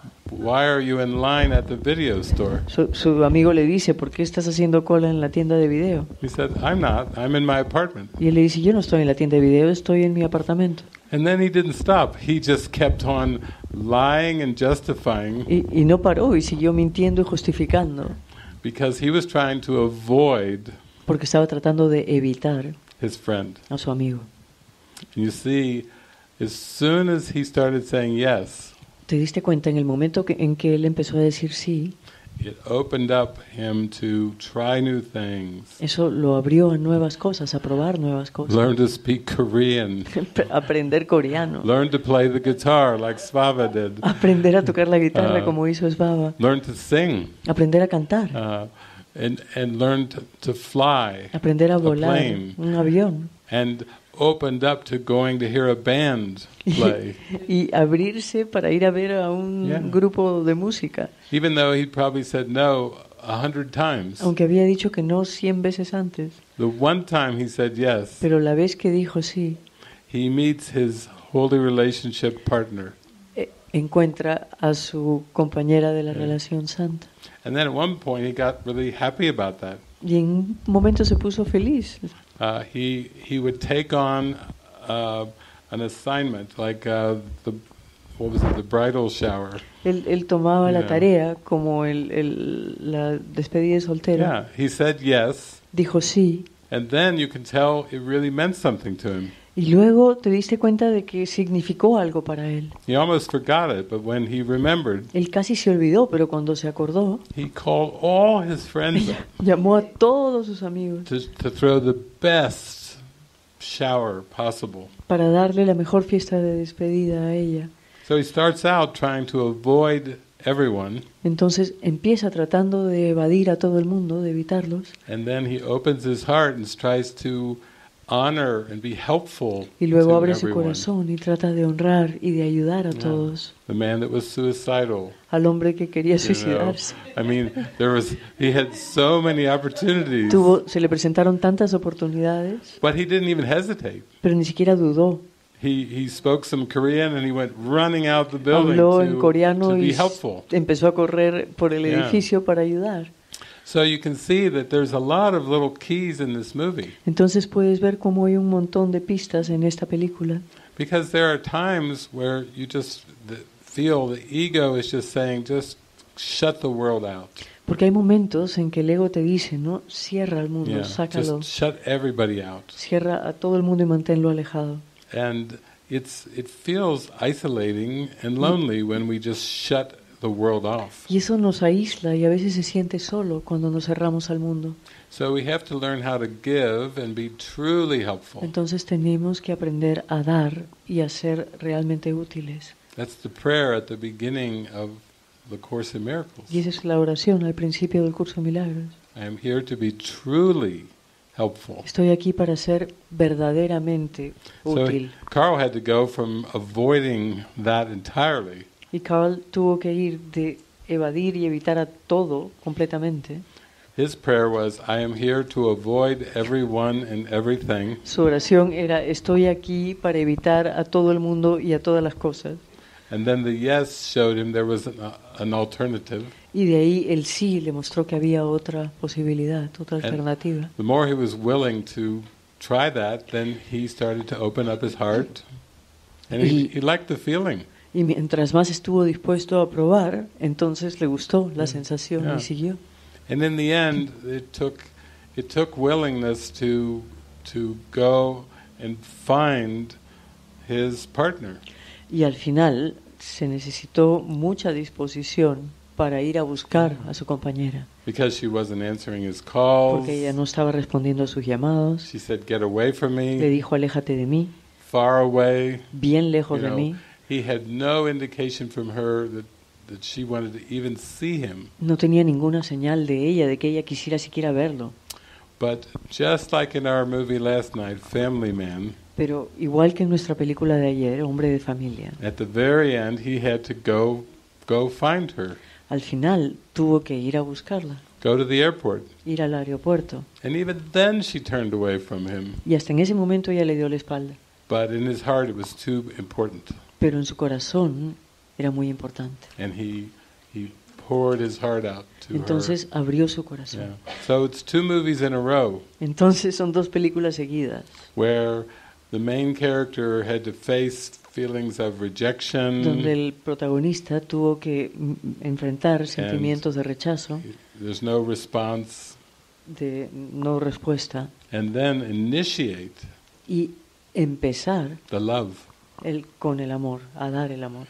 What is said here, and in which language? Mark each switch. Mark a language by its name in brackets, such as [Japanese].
[English] Why are you in line at the video store? [Spanish] Su amigo le dice, ¿por qué estás haciendo cola en la tienda de video? [English] He said, I'm not. I'm in my apartment. [Spanish] Y él le dice, yo no estoy en la tienda de video, estoy en mi apartamento. [English] And then he didn't stop. He just kept on lying and justifying. [Spanish] Y no paró y siguió mintiendo y justificando. [English] Because he was trying to avoid. [Spanish] Porque estaba tratando de evitar. [English] His friend. [Spanish] A su amigo. [English] And you see, as soon as he started saying yes. [Spanish] ¿Te diste cuenta en el momento en que él empezó a decir sí? [English] It opened up him to try new things. [Spanish] Eso lo abrió a nuevas cosas, a probar nuevas cosas. [English] Learn to speak Korean. [Spanish] Aprender coreano. [English] Learn to play the guitar like Svava did. [Spanish] Aprender a tocar la guitarra como hizo Svava. [English] Learn to sing. [Spanish] Aprender a cantar. [English] And learn to fly. [Spanish] Aprender a volar [English] a plane. [Spanish] Un avión. [English] And opened up to going to hear a band play. [Spanish] Y abrirse para ir a ver a un grupo de música. [English] Even though he'd probably said no 100 times. [Spanish] Aunque había dicho que no 100 veces antes. [English] The one time he said yes. [Spanish] Pero la vez que dijo sí. [English] He meets his holy relationship partner. [Spanish] Encuentra a su compañera de la relación santa. [English] And then at one point he got really happy about that. [Spanish] Y en un momento se puso feliz. [English] He would take on an assignment like the bridal shower. [Spanish] Él tomaba la tarea como la despedida de soltero. [English] Yeah, he said yes. [Spanish] Dijo sí. [English] And then you can tell it really meant something to him. [Spanish] Y luego te diste cuenta de que significó algo para él. [English] He almost forgot it, but when he remembered. [Spanish] Él casi se olvidó, pero cuando se acordó. [English] He called all his friends. [Spanish] Llamó a todos sus amigos. [English] To throw the best shower possible. [Spanish] Para darle la mejor fiesta de despedida a ella. [English] So he starts out trying to avoid everyone. [Spanish] Entonces empieza tratando de evadir a todo el mundo, de evitarlos. [English] And then he opens his heart and tries to honor and be helpful. [Spanish] Y luego abre su corazón y trata de honrar y de ayudar a todos. [English] The man that was suicidal. [Spanish] Al hombre que quería suicidarse. [English] I mean, he had so many opportunities. [Spanish] Se le presentaron tantas oportunidades. [English] But he didn't even hesitate. [Spanish] Pero ni siquiera dudó. [English] He spoke some Korean and he went running out the building to be helpful. [Spanish] Empezó a correr por el edificio para ayudar. [English] So you can see that there's a lot of little keys in this movie. [Spanish] Entonces puedes ver cómo hay un montón de pistas en esta película. [English] Because there are times where you just feel the ego is just saying, just shut the world out. [Spanish] Porque hay momentos en que el ego te dice, ¿no? Cierra al mundo, sácalo. [English] Just shut everybody out. [Spanish] Cierra a todo el mundo y manténlo alejado. [English] And it feels isolating and lonely when we just shut the world off. [Spanish] Y eso nos aísla y a veces se siente solo cuando nos cerramos al mundo. [English] So we have to learn how to give and be truly helpful. [Spanish] Entonces tenemos que aprender a dar y a ser realmente útiles. [English] That's the prayer at the beginning of the Course in Miracles. [Spanish] Y esa es la oración al principio del curso de milagros. [English] I am here to be truly helpful. [Spanish] Estoy aquí para ser verdaderamente útil. [English] So Carl had to go from avoiding that entirely. [Spanish] Y Carl tuvo que ir de evadir y evitar a todo completamente. [English] His prayer was, I am here to avoid everyone and everything. [Spanish] Su oración era, estoy aquí para evitar a todo el mundo y a todas las cosas. [English] And then the yes showed him there was an alternative. [Spanish] Y de ahí el sí le mostró que había otra posibilidad, otra alternativa. [English] And the more he was willing to try that, then he started to open up his heart. And he liked the feeling. [Spanish] Y mientras más estuvo dispuesto a probar, entonces le gustó la sensación y siguió. [English] And in the end, it took willingness to go and find his partner. [Spanish] Y al final se necesitó mucha disposición para ir a buscar a su compañera. [English] Because she wasn't answering his calls. [Spanish] Porque ella no estaba respondiendo a sus llamados. [English] She said, "Get away from me." [Spanish] Le dijo, "Aléjate de mí." [English] Far away. [Spanish] Bien lejos de mí. [English] He had no indication from her that she wanted to even see him. [Spanish] No tenía ninguna señal de ella, de que ella quisiera siquiera verlo. [English] But just like in our movie last night, Family Man. [Spanish] Pero igual que en nuestra película de ayer, Hombre de Familia. [English] At the very end, he had to go find her. [Spanish] Al final, tuvo que ir a buscarla. [English] Go to the airport. [Spanish] Ir al aeropuerto. [English] And even then, she turned away from him. [Spanish] Y hasta en ese momento ella le dio la espalda. [English] But in his heart, it was too important. [Spanish] Pero en su corazón era muy importante. [English] And he poured his heart out to [Spanish] Entonces [English] her. [Spanish] Abrió su corazón. Yeah. [English] So it's two movies in a row. [Spanish] Entonces son dos películas seguidas. [English] Where the main character had to face feelings of rejection. [Spanish] Donde el protagonista tuvo que enfrentar sentimientos de rechazo. [English] There's no response. [Spanish] De no respuesta. [English] And then initiate. [Spanish] Y empezar. [English] The love. [Spanish] El, con el amor, a dar el amor.